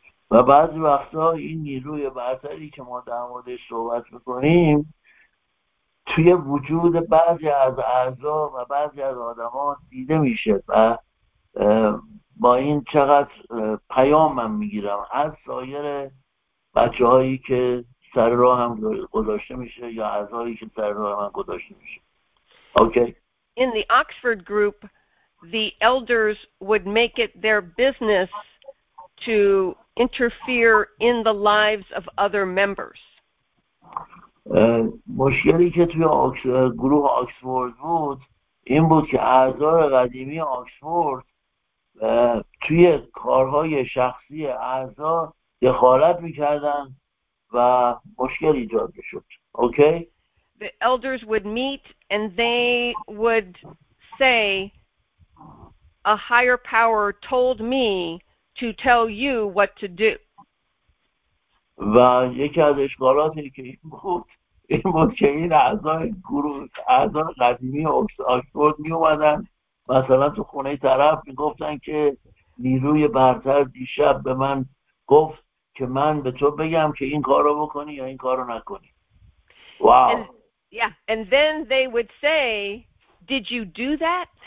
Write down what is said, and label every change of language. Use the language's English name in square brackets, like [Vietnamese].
[Persian] و بعضی وقتا این نیروی برتری که ما در موردش صحبت میکنیم توی وجود بعضی از اعضا و بعضی از آدم ها دیده میشه و با این چقدر پیام من میگیرم از سایر بچه هایی که سر راه هم گذاشته میشه یا اعضایی که سر راه من گذاشته میشه. Okay. [English] In the Oxford group, the elders would make it their business to interfere in the lives of other members. [Persian] مشکلی که توی گروه آکسفورد بود این بود که اعضا قدیمی آکسفورد توی کارهای شخصی اعضا دخالت می‌کردن و مشکل ایجاد می‌شد. Okay? [English] The elders would meet and they would say, a higher power told me to tell you what to do. [Persian] و یکی از اشکالاتی که این بود این بود که این اعضای گروه اعضای قدیمی آکسفورد می اومدن مثلا تو خونه طرف می گفتن که نیروی برتر دیشب به من گفت که من به تو بگم که این کار رو بکنی یا این کار رو نکنی. واو. [English] Yeah, and then they would say, did you do that?